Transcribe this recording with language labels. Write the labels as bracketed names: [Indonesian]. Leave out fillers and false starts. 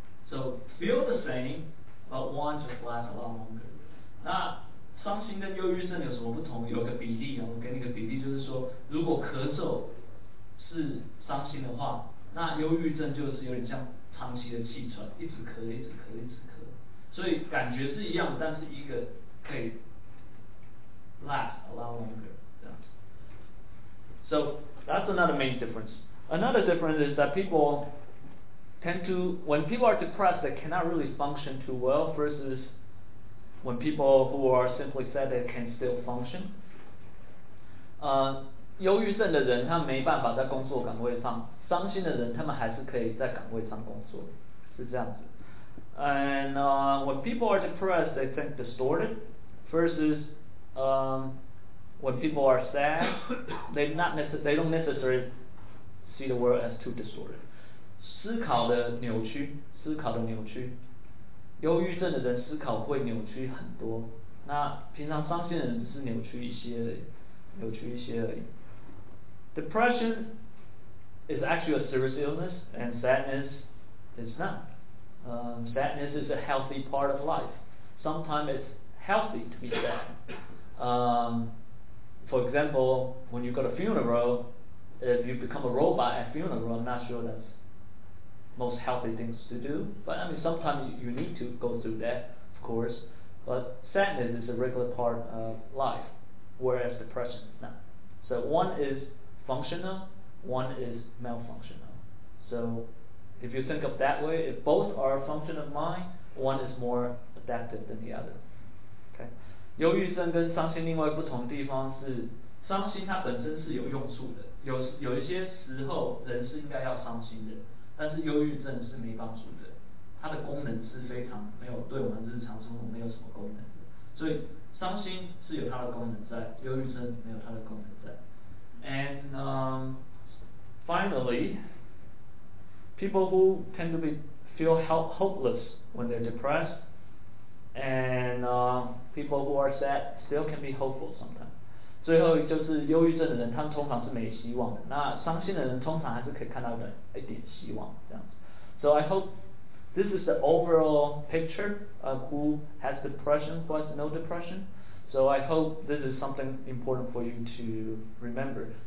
[English] So feel the same, but one just lasts a lot longer. [Chinese] 那伤心跟忧郁症有什么不同？有个比例，我给你个比例，就是说，如果咳嗽是伤心的话。那忧郁症就是有点像长期的气喘，一直咳，一直咳，一直咳，所以感觉是一样的，但是一个可以 [English] last a lot longer [Chinese] 这样子。 [English] So that's another main difference. Another difference is that people tend to, when people are depressed, they cannot really function too well versus when people who are simply sad, they can still function. [Chinese] 忧郁症的人他没办法在工作岗位上，伤心的人他们还是可以在岗位上工作，是这样子。 [English] And when people are depressed, they think distorted versus when people are sad, they don't necessarily see the world as too distorted. [Chinese] 思考的扭曲，思考的扭曲，忧郁症的人思考会扭曲很多，那平常伤心的人只是扭曲一些而已，扭曲一些而已。 [English] Depression is actually a serious illness, and sadness is not. Sadness is a healthy part of life. Sometimes it's healthy to be sad. For example, when you go to a funeral, if you become a robot at a funeral, I'm not sure that's most healthy things to do. But I mean, sometimes you need to go through that, of course. But sadness is a regular part of life, whereas depression is not. So one is functional, one is malfunctional. So if you think of that way, if both are a function of mind, one is more adaptive than the other. Okay. [Chinese] 忧郁症跟伤心另外不同的地方是，伤心它本身是有用处的，有一些时候人是应该要伤心的，但是忧郁症是没帮助的，它的功能是非常没有，对我们日常生活没有什么功能的。所以伤心是有它的功能在，忧郁症没有它的功能在。 [English] And finally, people who tend to feel hopeless when they're depressed, and people who are sad still can be hopeful sometimes. [Chinese] 最后就是忧郁症的人，他们通常是没希望的。那伤心的人通常还是可以看到一点希望这样子。 [English] So I hope this is the overall picture of who has depression, who has no depression. So I hope this is something important for you to remember.